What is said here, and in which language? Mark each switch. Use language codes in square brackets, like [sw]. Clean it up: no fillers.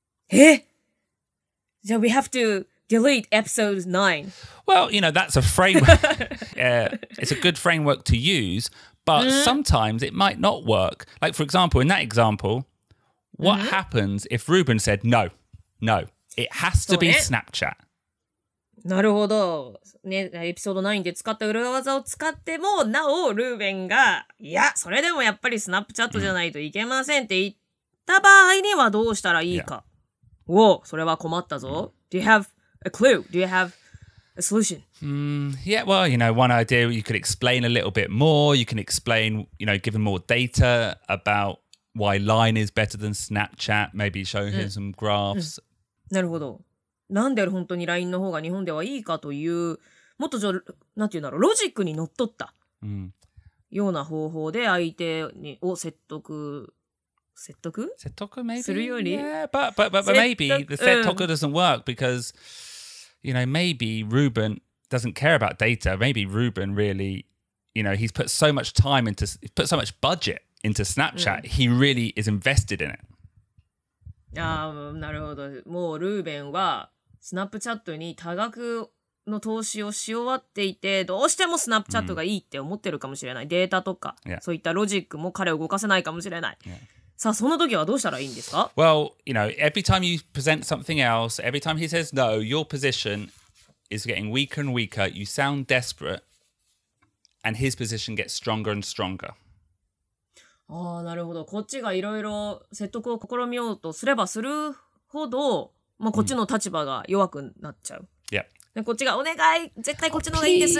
[en] Eh? So we have to... Delete episode 9. Well, you know, that's a framework. it's a good framework to use, but sometimes it might not work. Like, for example, in that example, what happens if Ruben said, no, it has to be Snapchat? [ja] なるほど。ね、エピソード9で使った裏技を使っても、なお、ルーベンが、いや、それでもやっぱりスナップチャットじゃないといけませんって言った場合にはどうしたらいいか。おお、それは困ったぞ。 [en] Do you have... A clue? Do you have a solution? Yeah, well, you know, one idea, you could explain a little bit more. You can explain, you know, give him more data about why Line is better than Snapchat. Maybe show him some graphs. [ja] なるほど。なんで本当に LINE の方が日本ではいいかという、もっとじゃ、なんていうんだろう、ロジックに乗っ取ったような方法で相手にを説得 [en] Setoku maybe? Yeah, but maybe the setoku doesn't work because, you know, maybe Ruben doesn't care about data. Maybe Ruben really, you know, he's put so much time into, put so much budget into Snapchat. He really is invested in it. [ja] なるほど。もうルーベンはスナップチャットに多額の投資をし終わっていて、どうしてもスナップチャットがいいって思ってるかもしれない。データとか、そういったロジックも彼を動かせないかもしれない。さあ、その時はどうしたらいいんですか? [en] Well, you know, every time you present something else, every time he says no, your position is getting weaker and weaker. You sound desperate, and his position gets stronger and stronger. [ja] ああ、なるほど。こっちがいろいろ説得を試みようとすればするほど、まあ、こっちの立場が弱くなっちゃう。 [en] Yeah. [ja] でこっちがお願い、絶対こっちの方がいいんです。